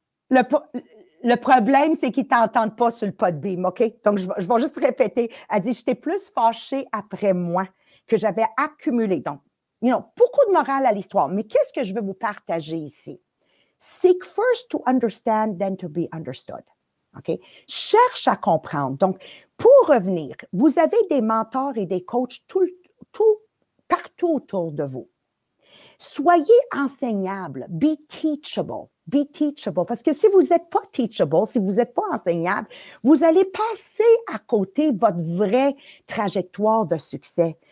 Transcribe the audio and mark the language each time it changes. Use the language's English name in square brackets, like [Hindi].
[French] Le problème, c'est qu'ils ne t'entendent pas sur le podbeam, OK? Donc, je vais juste répéter. Elle dit, j'étais plus fâchée après moi que j'avais accumulé. Donc, [English] you know, [French] beaucoup de morale à l'histoire. Mais qu'est-ce que je veux vous partager ici? [English] Seek first to understand, then to be understood. [French] OK? Cherche à comprendre. Donc, pour revenir, vous avez des mentors et des coachs tout partout autour de vous. Soyez enseignable, [English] be teachable. [French] Parce que si vous n'êtes pas teachable, si vous n'êtes pas enseignable, vous allez passer à côté votre vraie trajectoire de succès.